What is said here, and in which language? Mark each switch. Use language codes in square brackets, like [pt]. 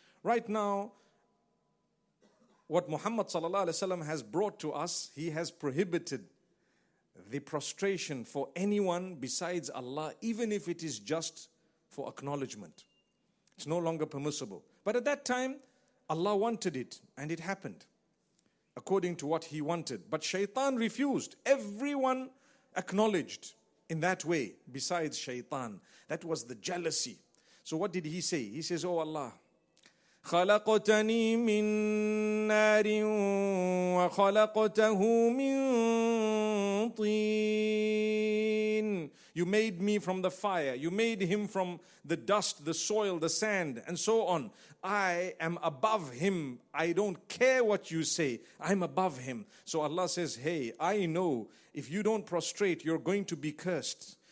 [en] Right now, what Muhammad sallallahu alaihi wasallam has brought to us, he has prohibited the prostration for anyone besides Allah, even if it is just for acknowledgement. It's no longer permissible. But at that time, Allah wanted it, and it happened according to what he wanted. But shaitan refused. Everyone acknowledged in that way besides shaitan. That was the jealousy. So what did he say? He says, oh Allah, [ar] خَلَقْتَنِي مِن نَارٍ وَخَلَقْتَهُ مِن طِينٍ. [en] You made me from the fire. You made him from the dust, the soil, the sand, and so on. I am above him. I don't care what you say. I'm above him. So Allah says, hey, I know if you don't prostrate, you're going to be cursed.